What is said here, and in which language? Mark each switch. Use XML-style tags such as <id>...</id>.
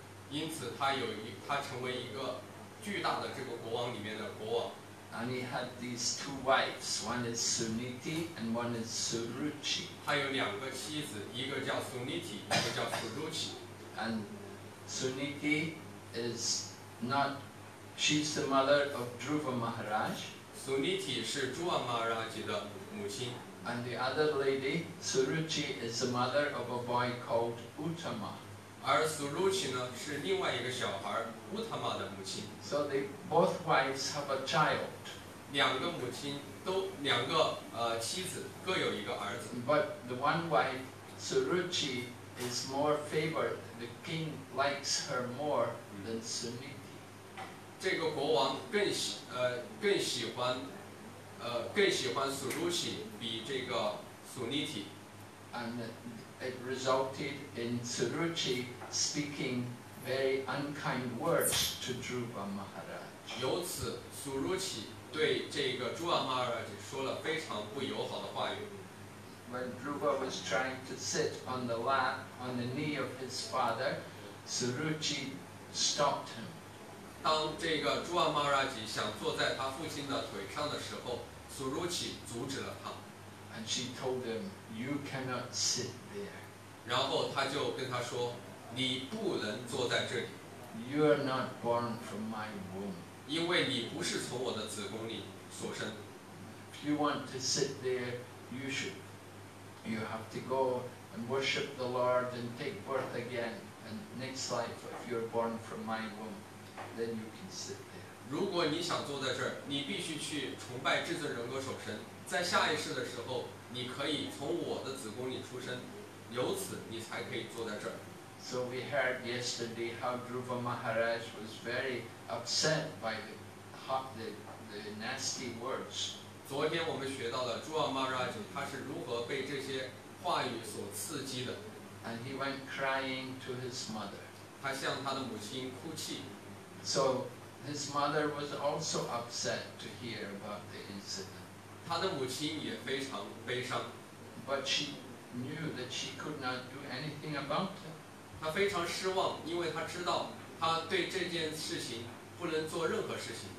<zh>因此他有一他成为一个巨大的这个国王里面的国王。</zh> <en>And he had these two wives, one is Suniti and one is Suruchi.</en> <zh>他有两个妻子，一个叫 Suniti， 一个叫 Suruchi。</zh> <en>And Suniti is not, she's the mother of Dhruva Maharaj.</en> <zh>Suniti 是 Dhruva Maharaj 的母亲。</zh> <en>And the other lady, Suruchi, is the mother of a boy called Uttama.</en> <zh>而 Suruchi 呢，是另外一个小孩 Uttama 的母亲。</zh> <en>So they both wives have a child.</en> <zh>两个母亲都两个妻子各有一个儿子。</zh> <en>But the one wife, Suruchi, is more favored. The king likes her more than Suniti.</en> <zh>这个国王更喜更喜欢。更喜欢 Suruchi 比这个 Suniti，</zh> <en>and it resulted in Suruchi speaking very unkind words to Dhruva Maharaj。</en> <zh>由此 ，Suruchi 对这个 Dhruva Maharaj 说了非常不友好的话语。</zh> <en>When Dhruva was trying to sit on the lap on the knee of his father, Suruchi stopped him。</en> <zh>当这个 Dhruva Maharaj 想坐在他父亲的腿上的时候，Suruchi 阻止了他。</zh> <en>And she told him, "You cannot sit there."</en> <zh>然后他就跟他说，你不能坐在这里。</zh> <en>You are not born from my womb.</en> <zh>因为你不是从我的子宫里所生。</zh> <en>If you want to sit there, you should. You have to go and worship the Lord and take birth again. And next life, if you're born from my womb, then you can sit.</en> <zh>如果你想坐在这儿，你必须去崇拜至尊人格守神。在下一世的时候，你可以从我的子宫里出生，由此你才可以坐在这儿。</zh> <en>So we heard yesterday how Dhruva Maharaj was very upset by the nasty words.</en> <zh>昨天我们学到了 Dhruva Maharaj 他是如何被这些话语所刺激的。</zh> <en>And he went crying to his mother.</en> <zh>他向他的母亲哭泣。</zh> <en>So. His mother was also upset to hear about the incident.</en> <zh>他的母亲也非常悲伤。</zh> <en>But she knew that she could not do anything about it.</en> <zh>她非常失望，因为她知道她对这件事情不能做任何事情。</zh>